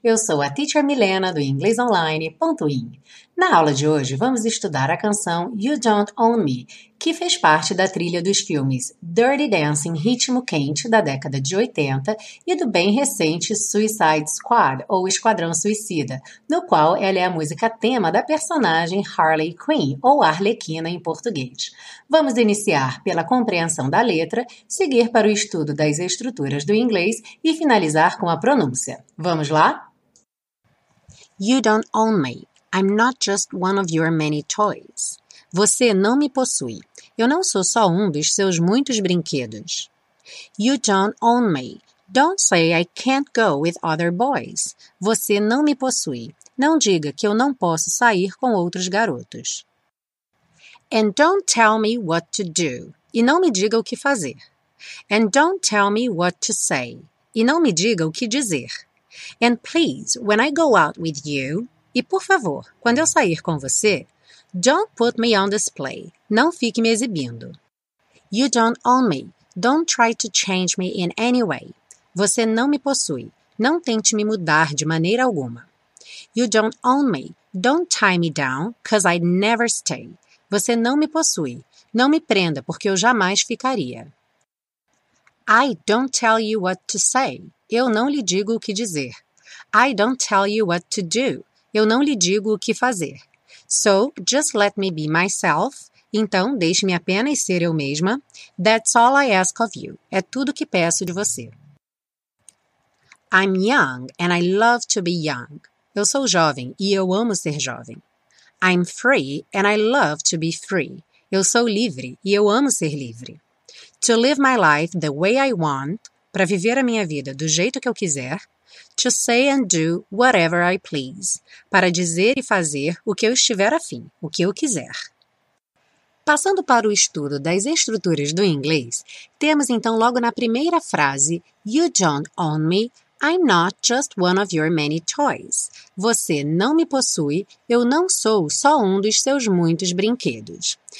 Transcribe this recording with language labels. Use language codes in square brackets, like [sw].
[pt] Eu sou a Teacher Milena, do inglesonline.in. Na aula de hoje, vamos estudar a canção You Don't Own Me, que fez parte da trilha dos filmes Dirty Dancing, Ritmo Quente, da década de 80, e do bem recente Suicide Squad, ou Esquadrão Suicida, no qual ela é a música tema da personagem Harley Quinn, ou Arlequina em português. Vamos iniciar pela compreensão da letra, seguir para o estudo das estruturas do inglês e finalizar com a pronúncia. Vamos lá? [en] You don't own me. I'm not just one of your many toys. [pt] Você não me possui. Eu não sou só um dos seus muitos brinquedos. [en] You don't own me. Don't say I can't go with other boys. [pt] Você não me possui. Não diga que eu não posso sair com outros garotos. [en] And don't tell me what to do. [pt] E não me diga o que fazer. [en] And don't tell me what to say. [pt] E não me diga o que dizer. [en] And please, when I go out with you... [pt] E, por favor, quando eu sair com você, [en] don't put me on display. [pt] Não fique me exibindo. [en] You don't own me. Don't try to change me in any way. [pt] Você não me possui. Não tente me mudar de maneira alguma. [en] You don't own me. Don't tie me down, 'cause I'd never stay. [pt] Você não me possui. Não me prenda, porque eu jamais ficaria. [en] I don't tell you what to say. [pt] Eu não lhe digo o que dizer. [en] I don't tell you what to do. [pt] Eu não lhe digo o que fazer. [en] So, just let me be myself. [pt] Então, deixe-me apenas ser eu mesma. [en] That's all I ask of you. [pt] É tudo que peço de você. [en] I'm young and I love to be young. [pt] Eu sou jovem e eu amo ser jovem. [en] I'm free and I love to be free. [pt] Eu sou livre e eu amo ser livre. [en] To live my life the way I want. [pt] Para viver a minha vida do jeito que eu quiser. [en] To say and do whatever I please. [pt] Para dizer e fazer o que eu estiver afim, o que eu quiser. Passando para o estudo das estruturas do inglês, temos então logo na primeira frase, [en] You don't own me, I'm not just one of your many toys. [pt] Você não me possui, eu não sou só um dos seus muitos brinquedos.